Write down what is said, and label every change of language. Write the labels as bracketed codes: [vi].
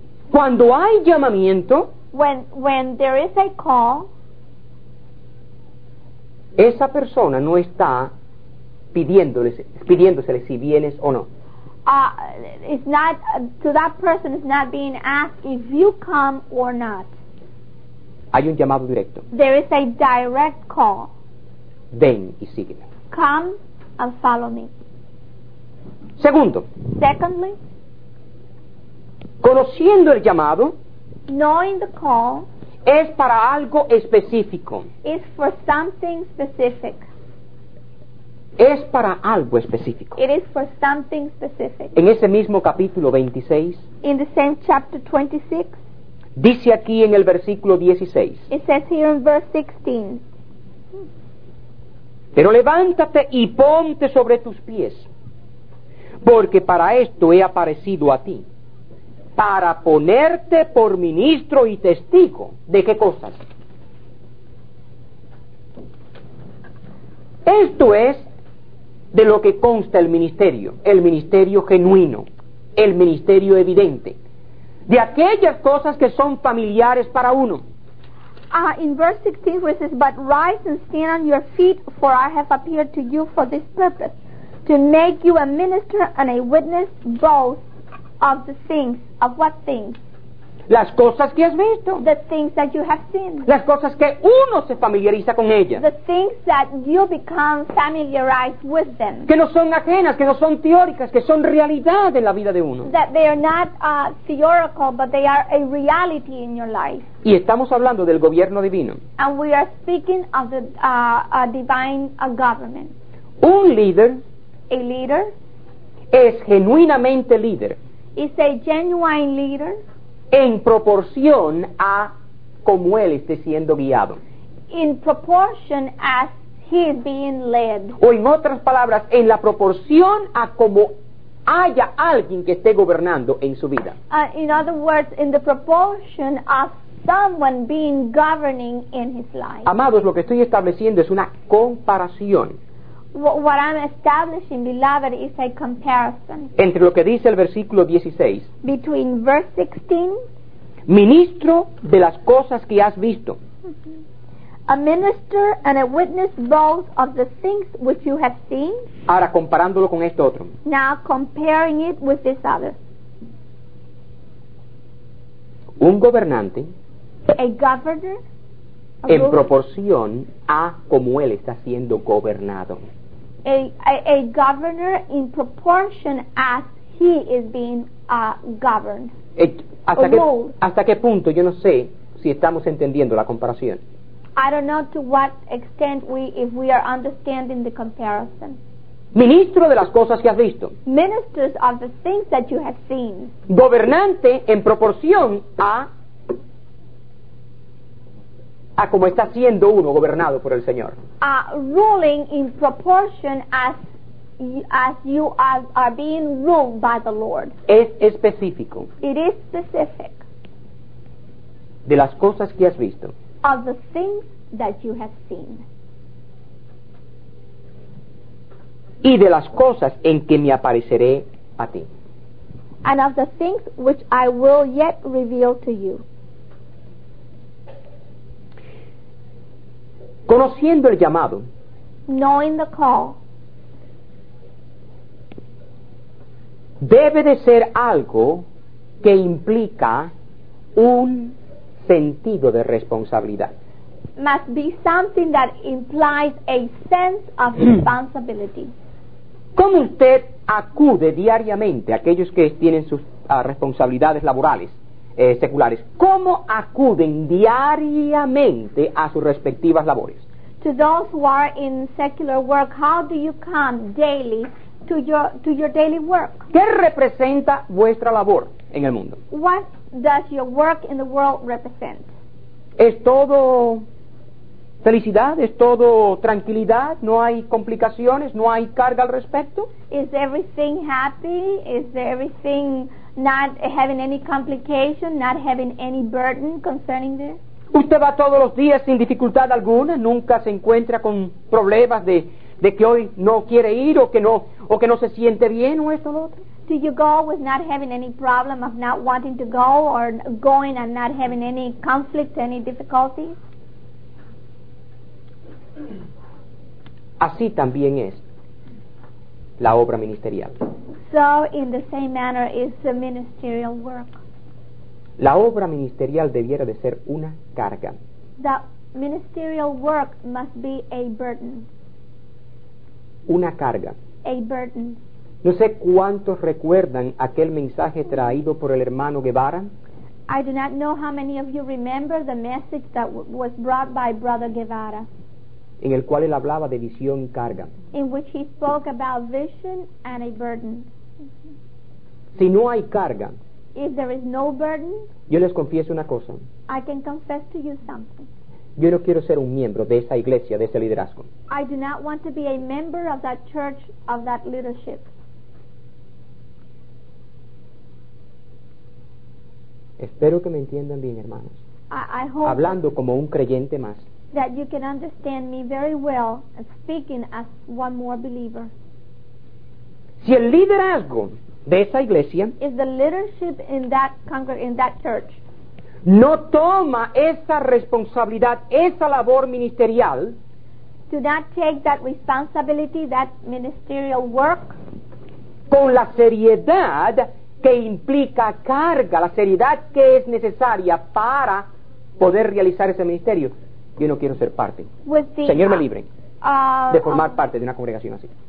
[es] Cuando hay llamamiento, [en] when there is a call, [es] esa persona no está pidiéndosele si vienes o no. [en] It's not to that person is not being asked if you come or not. [es] Hay un llamado directo. [en] There is a direct call. [es] Ven y sígueme. [en] Come and follow me. [es] Segundo. [en] Secondly. [es] Conociendo el llamado, [en] knowing the call, [es] es para algo específico. [en] It's for something specific. [es] Es para algo específico. [en] It is for something specific. [es] En ese mismo capítulo 26. [en] In the same chapter 26. [es] Dice aquí en el versículo 16. [en] It says here in verse 16. [es] Pero levántate y ponte sobre tus pies, porque para esto he aparecido a ti, para ponerte por ministro y testigo. ¿De qué cosas? Esto es de lo que consta el ministerio genuino, el ministerio evidente. de aquellas cosas que son familiares para uno. [en] In verse 16, where it says, "But rise and stand on your feet, for I have appeared to you for this purpose, to make you a minister and a witness both of the things of what things." [es] Las cosas que has visto. [en] The things that you have seen. [es] Las cosas que uno se familiariza con ellas. [en] The things that you become familiarized with them. [es] Que no son ajenas, que no son teóricas, que son realidad en la vida de uno. [en] That they are not theoretical, but they are a reality in your life. [es] Y estamos hablando del gobierno divino. [en] And we are speaking of the divine government. [es] Un líder. [en] A leader. [es] Es genuinamente líder. [en] Is a genuine leader. [es] En proporción a cómo él esté siendo guiado. [en] In proportion as he is being led. [es] O en otras palabras, en la proporción a cómo haya alguien que esté gobernando en su vida. [en] In other words, in the proportion of someone being governing in his life. [es] Amados, lo que estoy estableciendo es una comparación. [en] What I'm establishing, beloved, is a comparison. [es] Entre lo que dice el versículo 16. [en] Between verse 16. [es] Ministro de las cosas que has visto. [en] A minister and a witness both of the things which you have seen. [es] Ahora comparándolo con esto otro. [en] Now comparing it with this other. [es] Un gobernante. [en] A governor. [es] En proporción a cómo él está siendo gobernado. [en] A governor in proportion as he is being governed. [es] Hasta qué punto, yo no sé si estamos entendiendo la comparación. [en] I don't know to what extent if we are understanding the comparison. [es] Ministro de las cosas que has visto. [en] Ministers of the things that you have seen. [es] Gobernante en proporción a como está siendo uno gobernado por el Señor. [en] Ruling in proportion as you are being ruled by the Lord. [es] Es específico. [en] It is specific. [es] De las cosas que has visto. [en] Of the things that you have seen. [es] Y de las cosas en que me apareceré a ti. [en] And of the things which I will yet reveal to you. [es] Conociendo el llamado. [en] Knowing the call. [es] Debe de ser algo que implica un sentido de responsabilidad. [en] Must be something that implies a sense of responsibility. [es] ¿Cómo usted acude diariamente, aquellos que tienen sus responsabilidades laborales? Seculares, ¿cómo acuden diariamente a sus respectivas labores? [en] To those who are in secular work, how do you come daily to your daily work? [es] ¿Qué representa vuestra labor en el mundo? [en] What does your work in the world represent? [es] ¿Es todo felicidad? ¿Es todo tranquilidad? ¿No hay complicaciones? ¿No hay carga al respecto? [en] Is everything happy? Is everything not having any complication, not having any burden concerning this? [es] ¿Usted va todos los días sin dificultad alguna? ¿Nunca se encuentra con problemas de que hoy no quiere ir o que no se siente bien o esto o lo otro? [en] Do you go with not having any problem of not wanting to go or going and not having any conflict, any difficulty? [es] Así también es la obra ministerial. [en] So in the same manner is the ministerial work. [es] La obra ministerial debiera de ser una carga. [en] The ministerial work must be a burden. [es] Una carga. [en] A burden. [es] No sé cuántos recuerdan aquel mensaje traído por el hermano Guevara. [en] I do not know how many of you remember the message that was brought by Brother Guevara. [es] En el cual él hablaba de visión y carga. [en] In which he spoke about vision and a burden. [es] Si no hay carga. [en] If there is no burden. [es] Yo les confieso una cosa. [en] I can confess to you something. [es] Yo no quiero ser un miembro de esa iglesia, de ese liderazgo. [en] I do not want to be a member of that church, of that leadership. [es] Espero que me entiendan bien, hermanos. [en] I hope. [es] Hablando como un creyente más. [en] That you can understand me very well, speaking as one more believer. [es] Si el liderazgo de esa iglesia, [en] is the leadership in that church, [es] no toma esa responsabilidad, esa labor ministerial, [en] do not take that responsibility, that ministerial work, [es] con la seriedad que implica carga, la seriedad que es necesaria para poder realizar ese ministerio. Yo no quiero ser parte. Señor, me libre de formar parte de una congregación así.